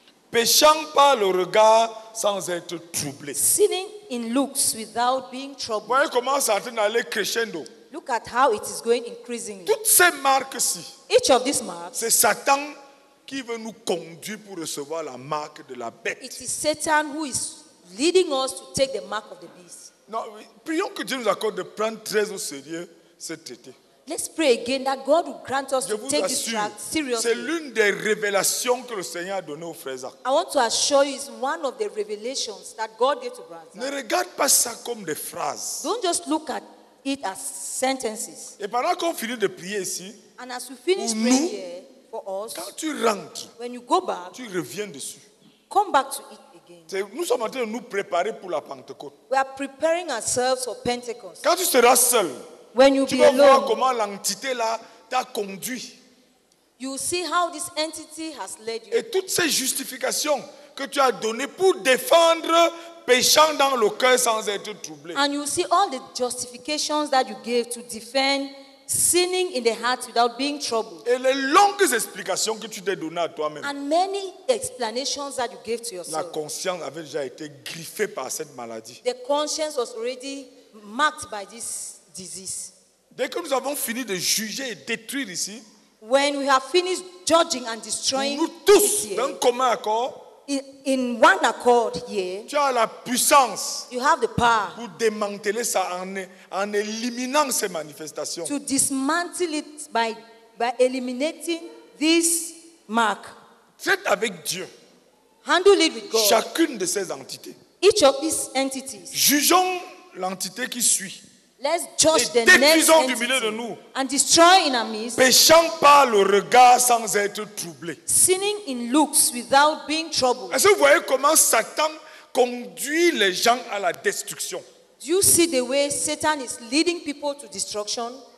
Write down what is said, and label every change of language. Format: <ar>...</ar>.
<fr>Péchant par le regard sans être troublé.</fr> <en>Sinning in looks without being troubled.</en> <fr>Voyez comment ça va aller crescendo.</fr> <en>Look at how it is going increasingly.</en> <fr>Toutes ces marques-ci.</fr> <en>Each of these marks.</en> <fr>C'est Satan qui veut nous conduire pour recevoir la marque de la bête.</fr> <en>It is Satan who is leading us to take the mark of the beast.</en> <fr>Non, prions que Dieu nous accorde de prendre très au sérieux ce traité.</fr> <en>Let's pray again that God will grant us</en> <fr>Je</fr> <en>to take</en> <fr>assure,</fr> <en>this track seriously.</en> <fr>C'est l'une des révélations que le Seigneur a donné aux frères.</fr> <en>I want to assure you, it's one of the revelations that God gave to brothers.</en> <fr>Ne regarde pas ça comme des phrases.</fr> <en>Don't just look at it as sentences.</en> <fr>Et pendant qu'on finit de prier ici,</fr> <en>and as we finish praying here, for us,</en> <fr>quand tu rentres,</fr> <en>when you go back,</en> <fr>tu reviens dessus.</fr> <en>Come back to it again.</en> <fr>C'est, nous sommes en train de nous préparer pour la Pentecôte.</fr> <en>We are preparing ourselves for Pentecost.</en> <fr>Quand tu seras seul,</fr> <en>when you</en> <fr>tu</fr> <en>be alone,</en> <fr>voir comment l'entité là t'a conduit.</fr> <en>You see how this entity has led you.</en> <fr>Et toutes ces justifications que tu as données pour défendre péchant dans le cœur sans être troublé.</fr> <en>And you see all the justifications that you gave to defend sinning in the heart without being troubled.</en> <fr>Et les longues explications que tu t'es donné à toi-même.</fr> <en>And many explanations that you gave to yourself.</en> <fr>La conscience avait déjà été griffée par cette maladie.</fr> <en>The conscience was already marked by this disease.</en> <fr>Dès que nous avons fini de juger et détruire ici,</fr> <en>when we have finished judging and destroying,</en> <fr>nous tous, d'un commun accord,</fr> <en>in one accord here,</en> <fr>tu as la puissance,</fr> <en>you have the power,</en> <fr>pour démanteler ça en éliminant ces manifestations,</fr> <en>to dismantle it by eliminating this mark.</en> <fr>Traite avec Dieu,</fr> <en>handle it with God,</en> <fr>chacune de ces entités,</fr> <en>each of these entities,</en> <fr>jugeons l'entité qui suit.</fr> <en>Let's judge the next entity.</en> <fr>Détruisons du milieu de nous.</fr> <en>And destroy in our midst.</en> <fr>Péchant par le regard sans être troublé.</fr> <en>Sinning in looks without being troubled.</en> <fr>Est-ce que vous voyez comment Satan conduit les gens à la destruction?</fr> <en>Do you see the way Satan is leading people to destruction?</en>